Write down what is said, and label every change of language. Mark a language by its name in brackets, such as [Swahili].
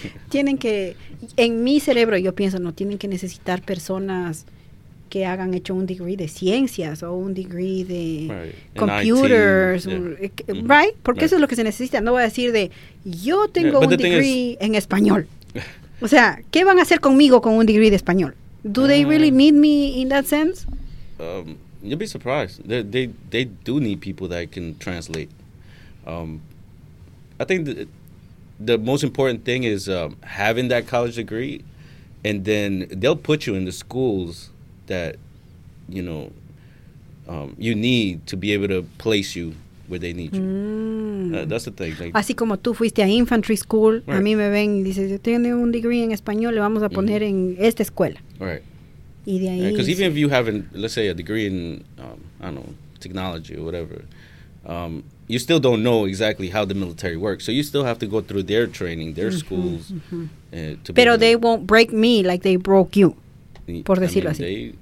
[Spanish] Tienen que, en mi cerebro, yo pienso, no tienen que necesitar personas que hagan hecho un degree de ciencias o un degree de computers, right? Porque eso es lo que se necesita. No voy a decir de, yo tengo un degree en español. O sea, ¿qué van a hacer conmigo con un degree de español? [English] Do they really need me in that sense? You'll be surprised. They do need people that can translate. I think the most important thing is having that college degree And then they'll put you in the schools that, you know, you need to be able to place you where they need you. That's the thing. Like, [Spanish] así como tú fuiste a infantry school, right. A mí me ven y dicen, yo tengo un degree en español, le vamos a poner en esta escuela. [English] Right. [Spanish] Y de ahí... [English] Because even if you have, let's say, a degree in, I don't know, technology or whatever, you still don't know exactly how the military works. So you still have to go through their training, their schools. Pero they won't break me like they broke you, [Spanish] por decirlo así.